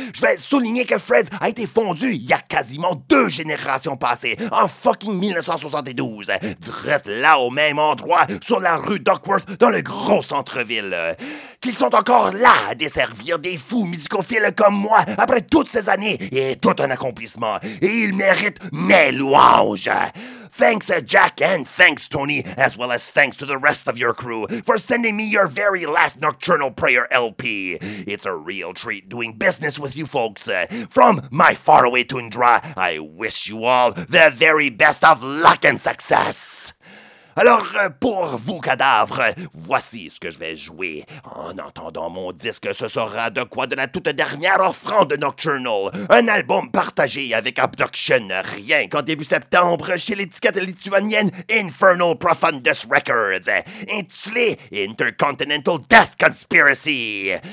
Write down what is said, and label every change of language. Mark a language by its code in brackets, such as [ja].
[fr] Je vais souligner que Fred a été fondu il y a quasiment deux générations passées, en fucking 1972, là au même endroit, sur la rue Duckworth, dans le gros centre-ville. Qu'ils sont encore là à desservir des fous musicophiles comme moi, après toutes ces années, et tout un accomplissement. Et ils méritent mes louanges. [en] Thanks Jack and thanks Tony, as well as thanks to the rest of your crew for sending me your very last Nocturnal Prayer LP. It's a real treat doing business with you folks. From my faraway tundra, I wish you all the very best of luck and success. [fr] Alors, pour vous cadavres, voici ce que je vais jouer. En entendant mon disque, ce sera de quoi de la toute dernière offrande Nocturnal. Un album partagé avec Abduction, rien qu'en début septembre, chez l'étiquette lituanienne Infernal Profundus Records, intitulé Intercontinental Death Conspiracy.